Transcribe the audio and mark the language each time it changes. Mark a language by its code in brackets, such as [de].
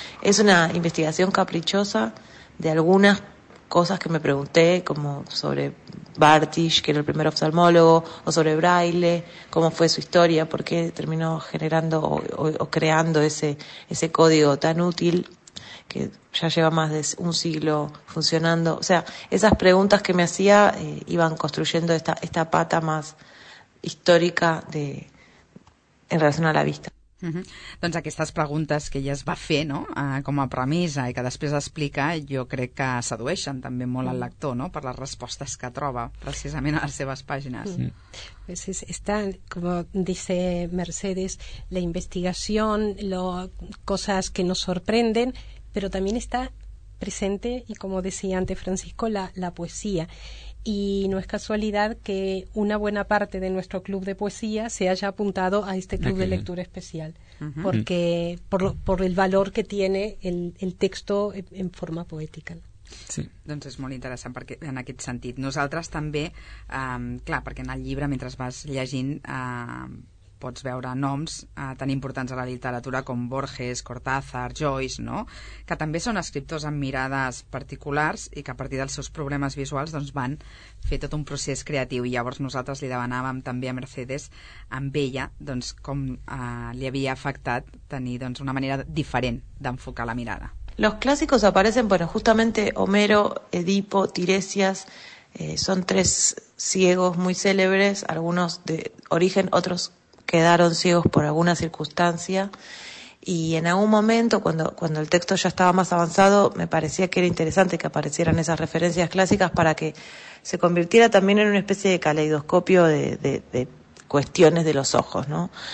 [es] Es una investigación caprichosa de algunas cosas que me pregunté, como sobre Bartisch, que era el primer oftalmólogo, o sobre Braille, cómo fue su historia, por qué terminó generando o creando ese código tan útil, que ya lleva más de un siglo funcionando. O sea, esas preguntas que me hacía iban construyendo esta pata más històrica en relació a la vista. [ca] Doncs aquestes preguntes que ella es va fer, no?, com a premissa i que després explica, jo crec que sedueixen també molt al lector, no?, per les respostes que troba precisament a les seves pàgines. [es] Pues es, está, como dice Mercedes, la investigación, cosas que nos sorprenden, pero también está presente, y como decía antes Francisco, la poesía. Y no es casualidad que una buena parte de nuestro club de poesía se haya apuntado a este club de lectura especial, porque por el valor que tiene el texto en forma poética. Sí. [ca] Doncs és molt interessant perquè en aquest sentit. Nosaltres també, clar, perquè en el llibre, mentre vas llegint, pots veure noms tan importants a la literatura com Borges, Cortázar, Joyce, no?, que també són escriptors amb mirades particulars i que a partir dels seus problemes visuals doncs, van fer tot un procés creatiu. I llavors nosaltres li demanàvem també a Mercedes, amb ella, doncs, com li havia afectat tenir doncs, una manera diferent d'enfocar la mirada. [es] Los clásicos aparecen, bueno, justamente Homero, Edipo, Tiresias, son tres ciegos muy célebres, algunos de origen, otros quedaron ciegos por alguna circunstancia, y en algún momento, cuando el texto ya estaba más avanzado, me parecía que era interesante que aparecieran esas referencias clásicas para que se convirtiera también en una especie de caleidoscopio de cuestiones de los ojos, ¿no?